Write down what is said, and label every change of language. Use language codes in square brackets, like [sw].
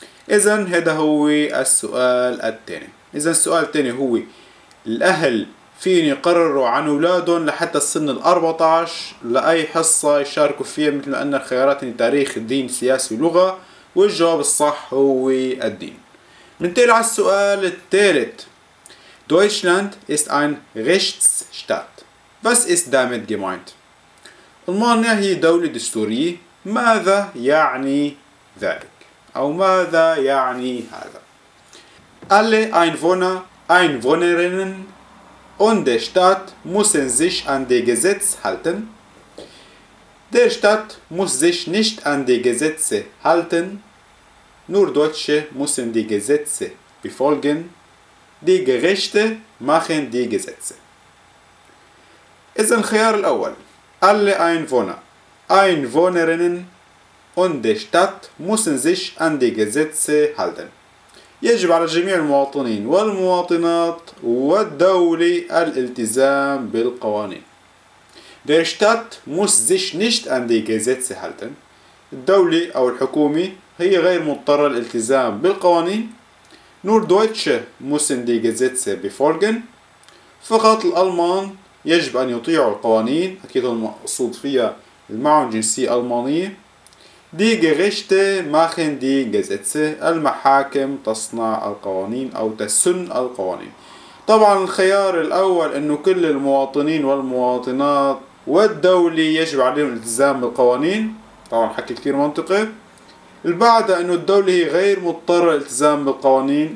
[ar] اذا هذا هو السؤال الثاني. اذا السؤال الثاني هو: الاهل فين يقرروا عن اولادهم لحتى السن ال 14 لاي حصة يشاركوا فيها، مثل ما قلنا الخيارات تاريخ دين سياسي لغة، والجواب الصح هو الدين. ننتقل على السؤال الثالث. [de] Deutschland ist ein Rechtsstaat. Was ist damit gemeint? [ar] ألمانيا هي دولة دستورية. ماذا يعني ذلك؟ أو ماذا يعني هذا؟ [de] Alle Einwohner, Einwohnerinnen und der Staat müssen sich an die Gesetze halten. Der Staat muss sich nicht an die Gesetze halten. Nur Deutsche müssen die Gesetze befolgen. دي غريشته ماخن دي غزتسه. [ar] اذا الخيار الاول: [de] alle einwohner einwohnerinnen und der Stadt müssen sich an die Gesetze halten. [ar] يجب على جميع المواطنين والمواطنات والدولة الالتزام بالقوانين. [de] Der Stadt muss sich nicht an die Gesetze halten. [ar] الدولة أو الحكومة هي غير مضطرة للالتزام بالقوانين. [de] Nur Deutsche müssen die Gesetze befolgen. [ar] فقط الألمان يجب أن يطيعوا القوانين. أكيد المقصود فيها معهم جنسية ألمانية. [de] دي Gerichte machen die Gesetze. [ar] المحاكم تصنع القوانين أو تسن القوانين. طبعا الخيار الأول أنه كل المواطنين والمواطنات والدولة يجب عليهم الالتزام بالقوانين. طبعا حكي كتير منطقي. البعد أنه الدولة هي غير مضطرة الالتزام بالقوانين.